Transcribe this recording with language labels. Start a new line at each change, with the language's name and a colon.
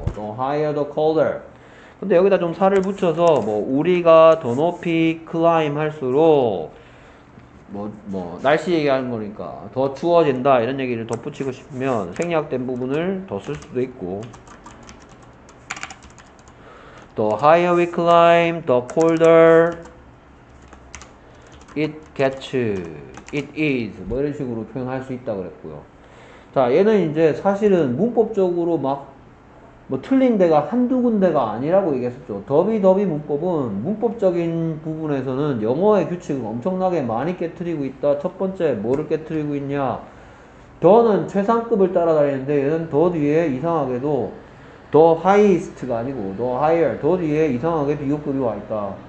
English: The higher, the colder.
Korean: 근데 여기다 좀 살을 붙여서 뭐 우리가 더 높이 클라임 할수록 뭐뭐 뭐 날씨 얘기하는 거니까 더 추워진다 이런 얘기를 덧붙이고 싶으면 생략된 부분을 더쓸 수도 있고.
English: The higher we climb, the colder it gets, it is.
Korean: 뭐 이런 식으로 표현할 수 있다 그랬고요. 자, 얘는 이제 사실은 문법적으로 막뭐 틀린 데가 한두 군데가 아니라고 얘기했었죠. 더비더비 문법은 문법적인 부분에서는 영어의 규칙을 엄청나게 많이 깨트리고 있다. 첫 번째, 뭐를 깨트리고 있냐? 더는 최상급을 따라다니는데 얘는 더 뒤에 이상하게도 더 하이스트가 아니고 더 하이어, 더 뒤에 이상하게 비교급이 와 있다.